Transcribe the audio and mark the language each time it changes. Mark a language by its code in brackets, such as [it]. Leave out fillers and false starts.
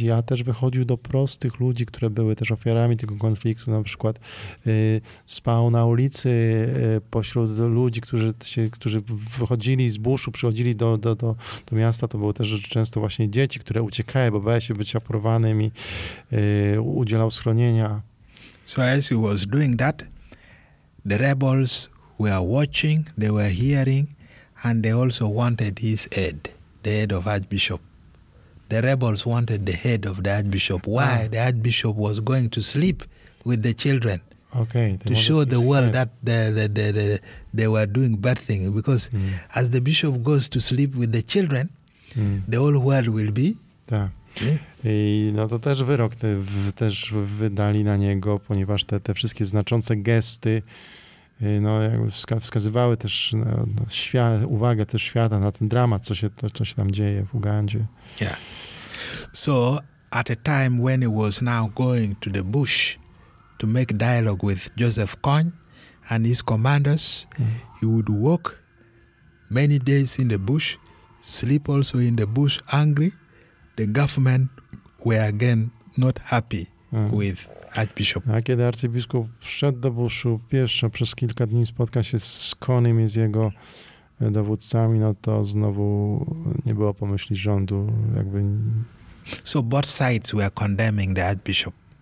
[pl] Ja też wychodził do prostych ludzi, które były też ofiarami tego konfliktu. Na przykład spał na ulicy pośród ludzi, którzy wychodzili z buszu, przychodzili do miasta. To były też często właśnie dzieci, które uciekały, bo bały się być aporowanym i udzielał schronienia. [en] So as he was doing that, the rebels were watching, they were hearing, and they also wanted his head, the head of Archbishop. The rebels wanted the head of the Archbishop. Why? The Archbishop was going to sleep with the children. Okay. To show the world that they were doing bad things. Because as the bishop goes to sleep with the children, the whole world will be... [pl] I no to też wyrok też wydali na niego, ponieważ te wszystkie znaczące gesty no jakby wskazywały też uwagę też świata na ten dramat, co się tam dzieje w Ugandzie. [en] Yeah. So at a time when he was now going to the bush to make dialogue with Joseph Kony and his commanders, he would walk many days in the bush, sleep also in the bush hungry. The government were again not happy with Archbishop. [pl] A kiedy arcybiskup wszedł do buszu pieszo, przez kilka dni spotkał się z Konym i z jego dowódcami, no to znowu nie było pomyśli rządu, jakby... [en] So both sides were condemning the Archbishop.